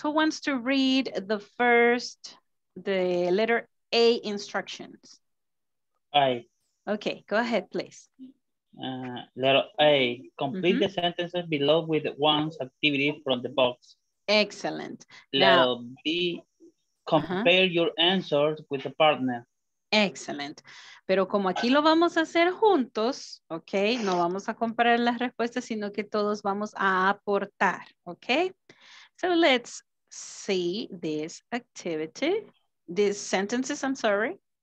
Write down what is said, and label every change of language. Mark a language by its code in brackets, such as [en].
[en] Who wants to read the first, the letter A instructions? I. Okay, go ahead, please. Letter A, complete the sentences below with one's activity from the box. Excellent. Letter now, B, compare your answers with the partner. Excellent. [es] Pero como aquí lo vamos a hacer juntos, ok, no vamos a comparar las respuestas, sino que todos vamos a aportar, ok. [en] So let's see this activity, these sentences, I'm sorry.